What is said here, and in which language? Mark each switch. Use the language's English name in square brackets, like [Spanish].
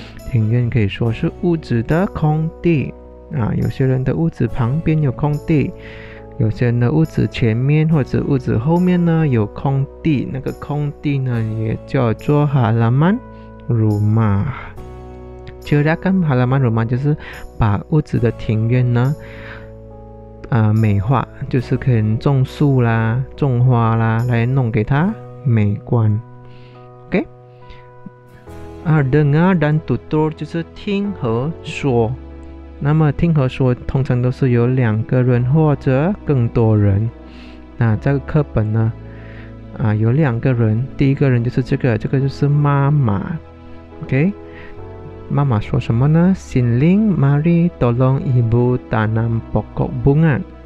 [Chinese] 庭院可以说是屋子的空地, 有些人的屋子旁边有空地, 有些人的屋子前面或者屋子后面呢, 有空地, 那个空地呢, 也叫做 [Malay] halaman rumah. Ceritakan halaman rumah [Chinese] 就是把屋子的庭院呢, 美化, 就是可能种树啦, 种花啦, 来弄给它美观. [Malay] Dengar dan tutur [Chinese] 就是听和说. 那么听和说 通常都是有两个人 或者更多人. 那这个课本呢 有两个人. 第一个人就是这个, 这个就是妈妈. [Malay] OK, [Chinese] 妈妈说什么呢? [Malay] Xinling, mari tolong ibu tanam pokok bunga.